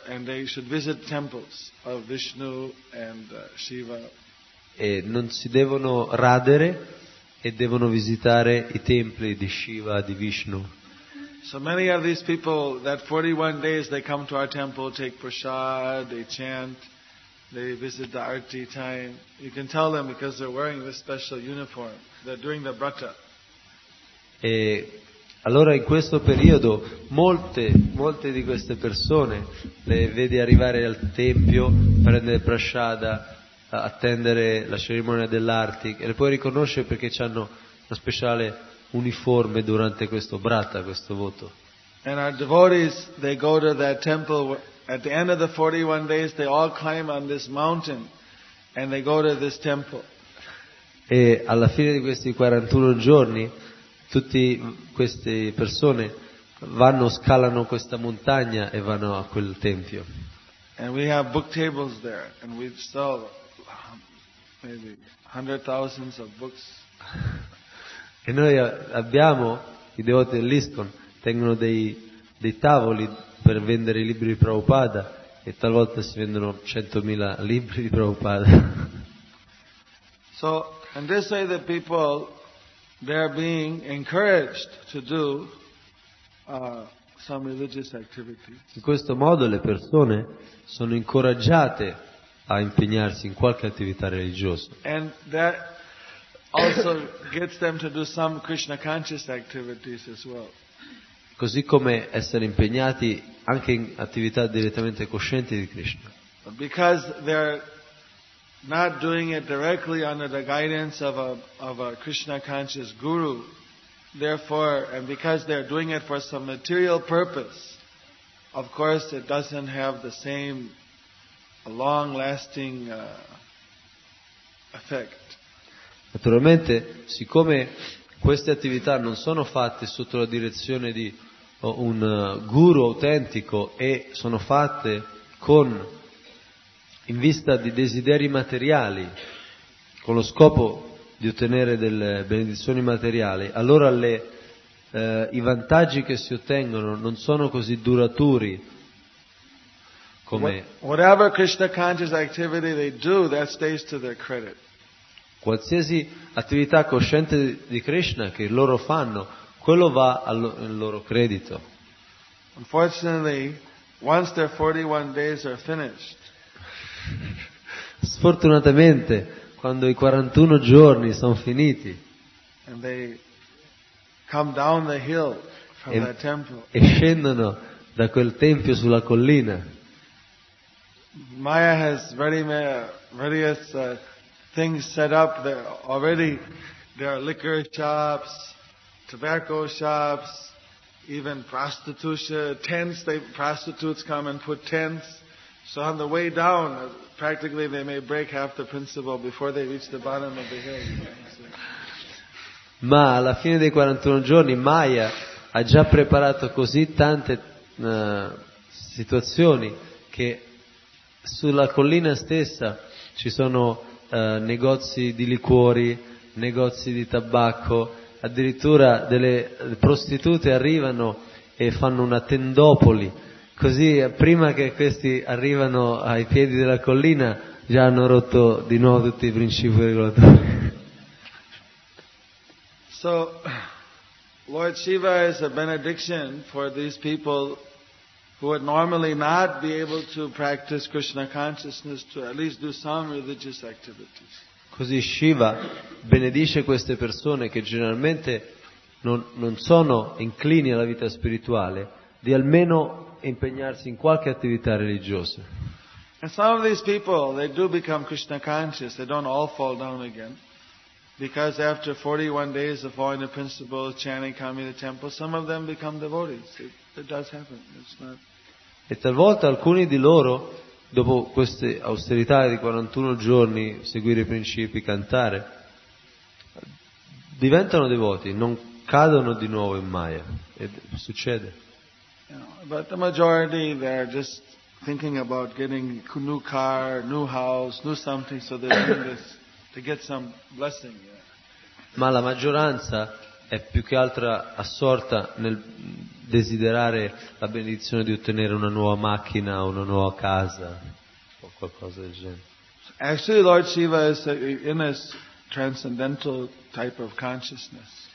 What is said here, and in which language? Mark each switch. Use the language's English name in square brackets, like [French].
[English] And they should visit temples of Vishnu and Shiva. [Italian] E non si devono radere e devono visitare i templi di Shiva, di Vishnu. [English] So many of these people, that 41 days, they come to our temple, take prasad, they chant, they visit the arti time. You can tell them because they're wearing this special uniform. They're doing the brata. [Italian] E allora in questo periodo molte di queste persone le vedi arrivare al tempio, prendere prasciada, attendere la cerimonia dell'arti, e le puoi riconoscere perché hanno una speciale uniforme durante questo brata, questo voto. [English] And our devotees, they go to that temple at the end of the 41 days, they all climb on this mountain and they go to this temple. [Italian] E alla fine di questi 41 giorni tutte queste persone vanno, scalano questa montagna e vanno a quel tempio. [English] And we have book tables there and we sell maybe hundred thousands of books. [Italian] E noi abbiamo, i devoti dell'ISKCON tengono dei tavoli per vendere i libri di Prabhupada, e talvolta si vendono 100.000 libri di Prabhupada. [English] So, and they say that people, they are being encouraged to do some religious activity. [Italian] In questo modo le persone sono incoraggiate a impegnarsi in qualche attività religiosa. [English] And that also gets them to do some Krishna conscious activities as well. [Italian] Così come essere impegnati anche in attività direttamente coscienti di Krishna. [English] Because they're not doing it directly under the guidance of a Krishna conscious guru, therefore, and because they are doing it for some material purpose, of course it doesn't have the same long lasting effect. [Italian] Naturalmente, siccome queste attività non sono fatte sotto la direzione di un guru autentico e sono fatte con in vista di desideri materiali, con lo scopo di ottenere delle benedizioni materiali, allora i vantaggi che si ottengono non sono così duraturi come... [English] Whatever Krishna conscious activity they do, that stays to their credit. [Italian] Qualsiasi attività cosciente di Krishna che loro fanno, quello va al loro credito. [English] Unfortunately, once their 41 days are finished, [Italian] sfortunatamente, quando i 41 giorni sono finiti, [English] and they come down the hill from that temple, [Italian] e scendono da quel tempio sulla collina, [English] Maya has various things set up there already. There are liquor shops, tobacco shops, even prostitution tents. Prostitutes come and put tents. So on the way down, practically they may break half the principle before they reach the bottom of the hill. [Italian] Ma alla fine dei 41 giorni, Maya ha già preparato così tante situazioni che sulla collina stessa ci sono negozi di liquori, negozi di tabacco, addirittura delle prostitute arrivano e fanno una tendopoli, così prima che questi arrivano ai piedi della collina già hanno rotto di nuovo tutti i principi regolatori. [English] So Lord Shiva is a benediction for these people who would normally not be able to practice Krishna consciousness to at least do some religious activities. [Italian] Così Shiva benedisce queste persone che generalmente non sono inclini alla vita spirituale di almeno impegnarsi in qualche attività religiosa. [English] And some of these people, they do become Krishna conscious, they don't all fall down again. Because after 41 days of following the principles, chanting, coming to the temple, some of them become devotees. It does happen. It's not... [Italian] E talvolta alcuni di loro, dopo queste austerità di 41 giorni, seguire i principi, cantare, diventano devoti, non cadono di nuovo in Maya. E succede. [English] You know, but the majority, they're just thinking about getting a new car, new house, new something, so they're doing this. To get some blessing, yeah. [Italian] Ma la maggioranza è più che altro assorta nel desiderare la benedizione di ottenere una nuova macchina o una nuova casa o qualcosa del genere. [English] Actually, Lord Shiva is in a transcendental type of consciousness.